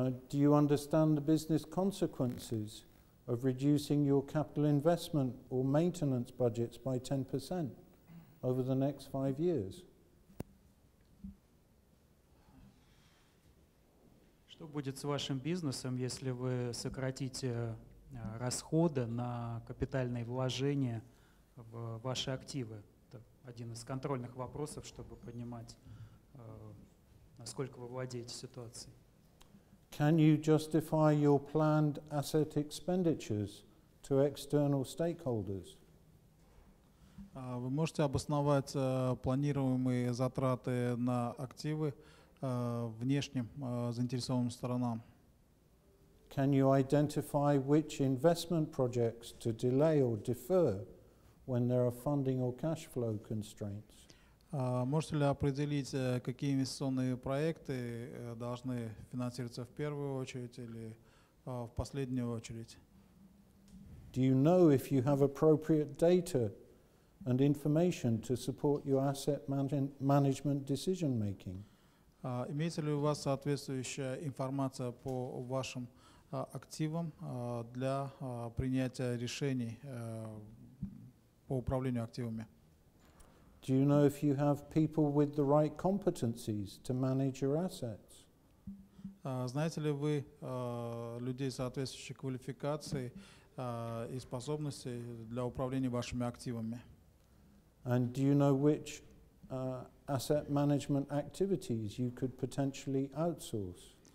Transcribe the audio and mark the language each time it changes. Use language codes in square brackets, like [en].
[en] Do you understand the business consequences of reducing your capital investment or maintenance budgets by 10% over the next 5 years? [ru] Что будет с вашим бизнесом, если вы сократите расходы на капитальные вложения в ваши активы? Это один из контрольных вопросов, чтобы понимать, насколько вы владеете ситуацией. [en] Can you justify your planned asset expenditures to external stakeholders? [ru] Вы можете обосновать планируемые затраты на активы внешним заинтересованным сторонам? [en] Can you identify which investment projects to delay or defer when there are funding or cash flow constraints? [ru] Можете ли определить, какие инвестиционные проекты должны финансироваться в первую очередь или в последнюю очередь? [en] Do you know if you have appropriate data and information to support your asset management decision making? [ru] Имеется ли у вас соответствующая информация по вашим активам для принятия решений по управлению активами? [en] Do you know if you have people with the right competencies to manage your assets? [ru] Знаете ли вы людей соответствующей квалификации и способностей для управления вашими активами? [en] And do you know which asset management activities you could potentially outsource?